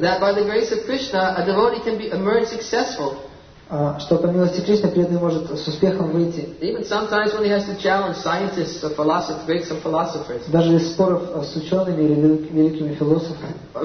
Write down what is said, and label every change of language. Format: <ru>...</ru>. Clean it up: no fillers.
<en>That by the grace of Krishna, a devotee can be emerge successful.</en> <ru>Что по милости Кришны преданный может с успехом выйти.</ru> <en>Even sometimes when he has to challenge scientists or philosophers, breaks some philosophers.</en> <ru>Даже из споров с учеными или великими философами.</ru>